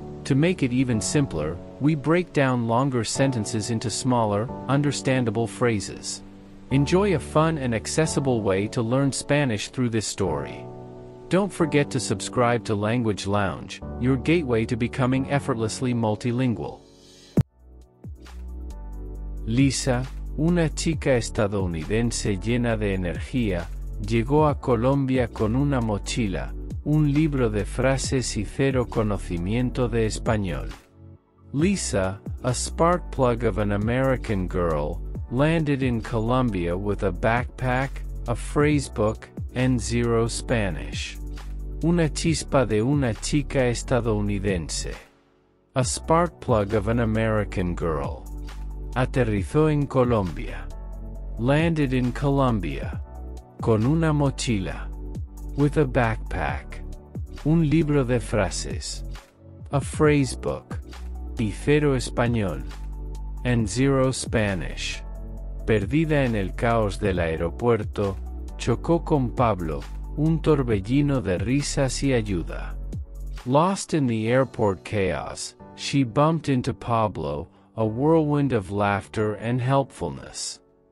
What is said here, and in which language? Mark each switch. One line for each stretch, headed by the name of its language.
English: To make it even simpler, we break down longer sentences into smaller, understandable phrases. Enjoy a fun and accessible way to learn Spanish through this story. Don't forget to subscribe to Language Lounge, your gateway to becoming effortlessly multilingual.
Spanish: Lisa, una chica estadounidense llena de energía, llegó a Colombia con una mochila, un libro de frases y cero conocimiento de español.
English: Lisa, a spark plug of an American girl, landed in Colombia with a backpack, a phrasebook, and zero Spanish.
Spanish: Una chispa de una chica estadounidense.
English: A spark plug of an American girl.
Spanish: Aterrizó en Colombia.
English: Landed in Colombia.
Spanish: Con una mochila.
English: With a backpack.
Spanish: Un libro de frases.
English: A phrasebook.
Spanish: Y cero español.
English: And zero Spanish.
Spanish: Perdida en el caos del aeropuerto, chocó con Pablo, un torbellino de risas y ayuda.
English: Lost in the airport chaos, she bumped into Pablo, a whirlwind of laughter and helpfulness.